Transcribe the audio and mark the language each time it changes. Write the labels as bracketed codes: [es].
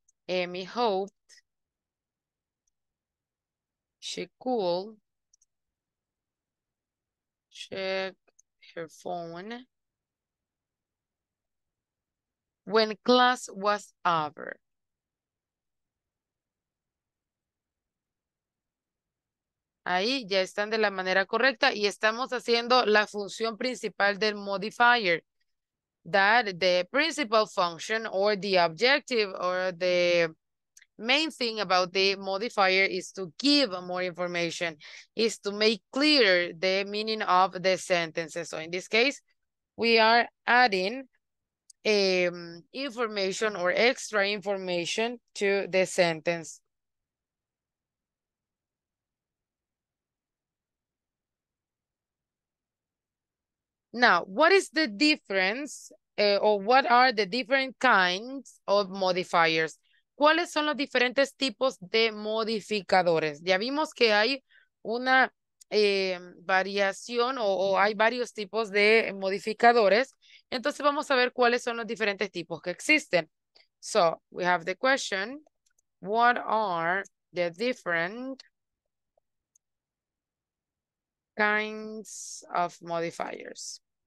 [en] Emmy hoped she could check her phone when class was over. [es] Ahí ya están de la manera correcta y estamos haciendo la función principal del modifier. [en] That the principal function or the objective or the main thing about the modifier is to give more information, is to make clear the meaning of the sentences. So in this case, we are adding information or extra information to the sentence. Now, what is the difference or what are the different kinds of modifiers? [es] ¿Cuáles son los diferentes tipos de modificadores? Ya vimos que hay una variación o hay varios tipos de modificadores. Entonces vamos a ver cuáles son los diferentes tipos que existen. [en] So, we have the question, what are the different kinds of modifiers?